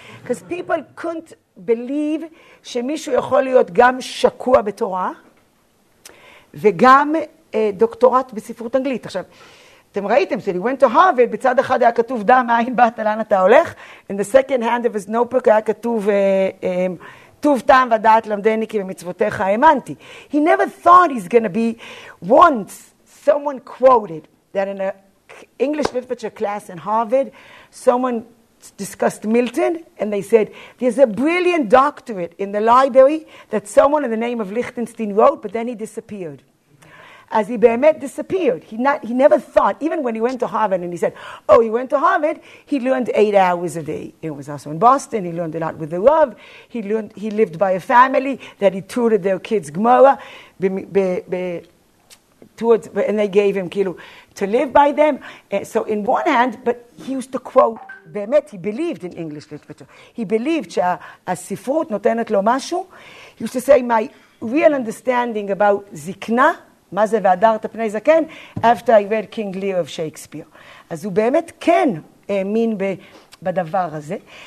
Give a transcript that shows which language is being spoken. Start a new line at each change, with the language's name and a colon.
English: Because people couldn't believe
Hebrew: שמישהו יכול להיות גם שקוע בתורה, וגם דוקטורט בספרות אנגלית. עכשיו, אתם ראיתם,
English: so you went to Harvard,
Hebrew: בצד אחד היה כתוב דה, מאין באת, לאן אתה הולך,
English: in the second hand of his notebook
Hebrew: היה כתוב, טוב טעם ודעת למדני כי במצוותיך האמנתי.
English: He never thought he's going to be, once someone quoted that in an English literature class in Harvard, someone discussed Milton, and they said, there's a brilliant doctorate in the library that someone in the name of Liechtenstein wrote, but then he disappeared. As he באמת disappeared, he never thought, even when he went to Harvard and he said, oh, he went to Harvard, he learned 8 hours a day. It was also in Boston, he learned a lot with the Rav, he lived by a family that he tutored their kids Gemara, and they gave him kilu to live by them. So in one hand, but he used to quote, באמת, he believed in English literature. He believed
Hebrew: שהספרות נותנת לו משהו.
English: He used to say, my real understanding about
Hebrew: זקנה, מה זה והדרת פני זקן,
English: after I read King Lear of Shakespeare.
Hebrew: אז הוא באמת כן האמין בדבר הזה.